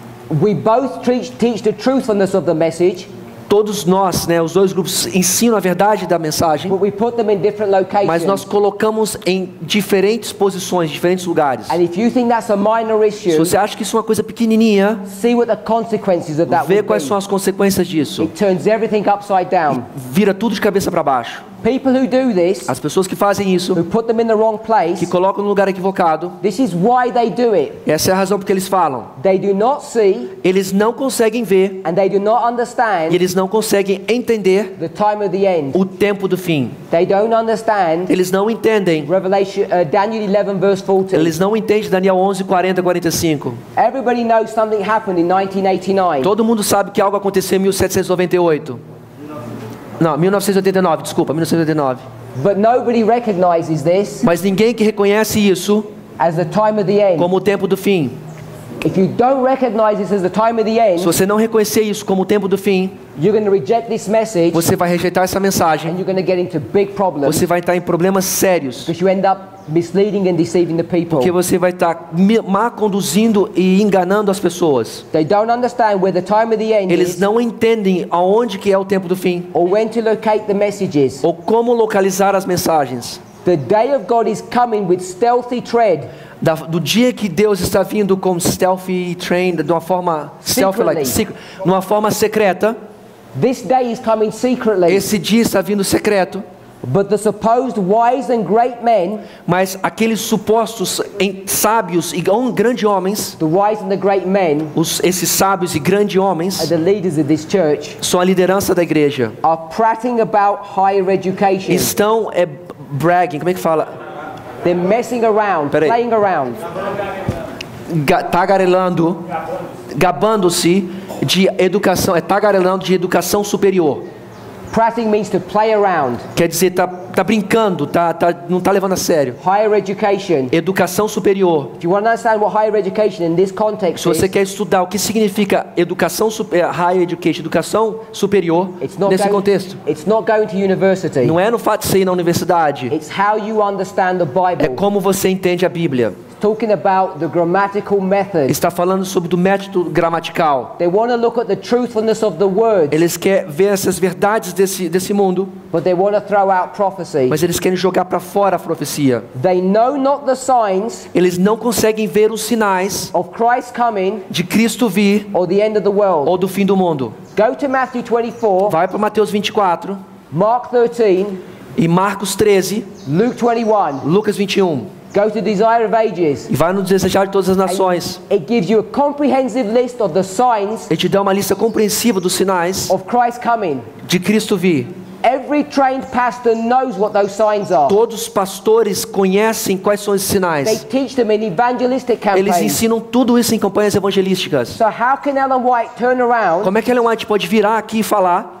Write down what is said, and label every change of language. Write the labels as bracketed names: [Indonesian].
[English] We both teach the truthfulness of the message. [Portuguese] todos nós, né, os dois grupos ensinam a verdade da mensagem, [English] but we put them in different locations. [Portuguese] Mas nós colocamos em diferentes posições, diferentes lugares. [English] And if you think that's a minor issue, [Portuguese] se você acha que isso é uma coisa pequenininha, [English] see what the consequences of that [Portuguese] vê quais são as consequências disso. [English] It turns everything upside down. [Portuguese] Vira tudo de cabeça para baixo. [English] People who do this, [Portuguese] as pessoas que fazem isso, [English] who put them in the wrong place, [Portuguese] que colocam no lugar equivocado, [English] this is why they do it. [Portuguese] Essa é a razão porque eles falam. [English] They do not see, [Portuguese] eles não conseguem ver, [English] and they do not understand, [Portuguese] e eles não conseguem entender, [English] the time of the end. [Portuguese] O tempo do fim. [English] They don't understand, [Portuguese] eles não entendem. [English] Revelation, Daniel 11, verse 14. [Portuguese] Eles não entendem Daniel 11, 40, 45. [English] Everybody knows something happened in 1989. [Portuguese] Todo mundo sabe que algo aconteceu em 1798. Não, 1989, desculpa, 1989. [English] But nobody recognizes this. [Portuguese] Mas ninguém que reconhece isso [English] as the time of the end. [Portuguese] Como o tempo do fim. [English] If you don't recognize this as the time of the end, [Portuguese] se você não reconhecer isso como o tempo do fim, [English] you're going to reject this message, [Portuguese] você vai rejeitar essa mensagem. [English] And you're going to get into big problems, [Portuguese] você vai entrar em problemas sérios. [English] Because you end up misleading and deceiving the people. [Portuguese] Porque você vai estar mal conduzindo e enganando as pessoas. [English] They don't understand where the time of the end [Portuguese] eles [English] is, [Portuguese] não entendem aonde que é o tempo do fim. [English] Or when to locate the messages. [Portuguese] Ou como localizar as mensagens. [English] The day of God is coming with stealthy tread. [Portuguese] Do dia que Deus está vindo com [English] stealthy train, [Portuguese] de uma forma stealth-like, de uma forma secreta. [English] This day is coming secretly. [Portuguese] Esse dia está vindo secreto. [English] But the supposed wise and great men, [Portuguese] mas aqueles supostos sábios e grandes homens, [English] the wise and the great men, [Portuguese] esses sábios e grandes homens, [English] are the leaders of this church, [Portuguese] são a liderança da igreja, [English] are prating about higher education. [Portuguese] Estão bragging, como é que fala? [English] They're messing around, [Portuguese] peraí, [English] playing around. [Portuguese] Tagarelando, gabando-se de educação, tagarelando de educação superior. [English] Prating means to play around. [Portuguese] Quer dizer, tá brincando, tá não tá levando a sério. [English] Higher education. [Portuguese] Educação superior. [English] If you want to understand what higher education in this context, [Portuguese] se você quer estudar o que significa educação [English] higher education, [Portuguese] educação superior, nesse contexto. [English] It's not going to university. [Portuguese] Não é no fato de você ir na universidade. [English] It's how you understand the Bible. [Portuguese] É como você entende a Bíblia. [English] Talking about the grammatical method. [Portuguese] Está falando sobre o método gramatical. [English] They want to look at the truthfulness of the words. [Portuguese] Eles querem ver essas verdades desse mundo. [English] But they want to throw out prophecy. [Portuguese] Mas eles querem jogar para fora a profecia. [English] They know not the signs. [Portuguese] Eles não conseguem ver os sinais. [English] Of Christ coming. [Portuguese] De Cristo vir. [English] Or the end of the world. [Portuguese] Ou do fim do mundo. [English] Go to Matthew 24. [Portuguese] Vai para Mateus 24. [English] Mark 13. [Portuguese] E Marcos 13. [English] Luke 21. [Portuguese] Lucas 21. [English] Go to Desire of Ages. [Portuguese] E vai no desejar de todas as nações. [English] It gives you a comprehensive list of the signs. [Portuguese] E te dá uma lista compreensiva dos sinais. [English] Of Christ coming. [Portuguese] De Cristo vir. [English] Every trained pastor knows what those signs are. [Portuguese] Todos os pastores conhecem quais são esses sinais. [English] They teach them in evangelistic campaigns. [Portuguese] Eles ensinam tudo isso em campanhas evangelísticas. [English] So how can Ellen White turn around? [Portuguese] Como é que Ellen White pode virar aqui e falar?